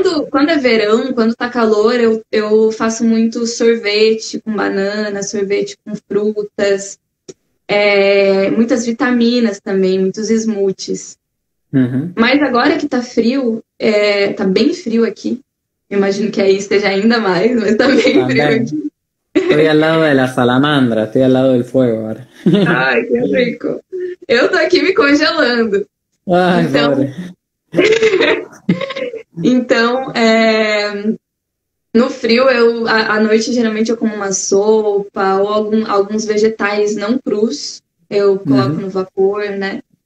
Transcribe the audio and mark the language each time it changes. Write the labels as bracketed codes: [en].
[pt] Quando é verão, quando tá calor, eu faço muito sorvete com banana, sorvete com frutas, muitas vitaminas também, muitos smoothies. Mas agora que tá frio, tá bem frio aqui. Eu imagino que aí esteja ainda mais, mas tá bem frio aquí. [es] También estoy al lado de la salamandra, estoy al lado del fuego ahora. [pt] Ai, que rico! Eu tô aquí me congelando. [es] Ay, [pt] Então. [es] pobre. [pt] Então, no frio, à noite, geralmente, eu como uma sopa ou alguns vegetais não crus, eu coloco no vapor, né?